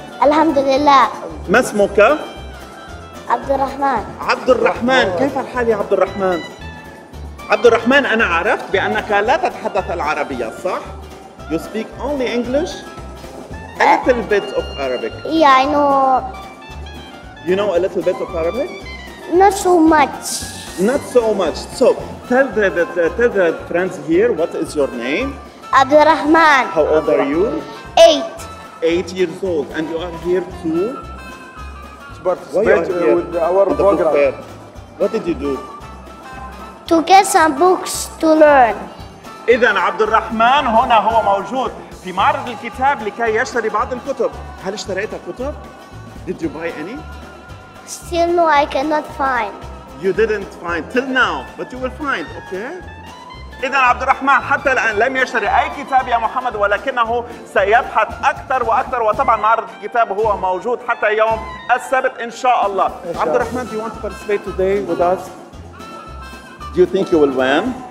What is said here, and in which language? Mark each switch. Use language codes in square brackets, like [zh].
[ar] الحمد لله. ما اسمك؟ عبد الرحمن. عبد الرحمن، كيف الحال يا عبد الرحمن؟ عبد الرحمن، انا عرفت بانك لا تتحدث العربيه، صح؟ [en] You speak only English? A little bit of Arabic. Yeah, I know. You know a little bit of Arabic? Not so much. Not so much. So, tell the friends here what is your name? Abdul Rahman. How old are you? 8. 8 years old. And you are here to? To participate with our program. What did you do? To get some books to learn. [ar] إذا عبد الرحمن هنا هو موجود في معرض الكتاب لكي يشتري بعض الكتب. هل اشتريت كتب؟ [en] Did you buy any? Still no, I cannot find. You didn't find till now, but you will find, okay? [ar] إذا عبد الرحمن حتى الآن لم يشتري أي كتاب يا محمد، ولكنه سيبحث أكثر وأكثر، وطبعاً معرض الكتاب هو موجود حتى يوم السبت إن شاء الله. [en] عبد الرحمن، do you want to participate today with us? Do you think you will win?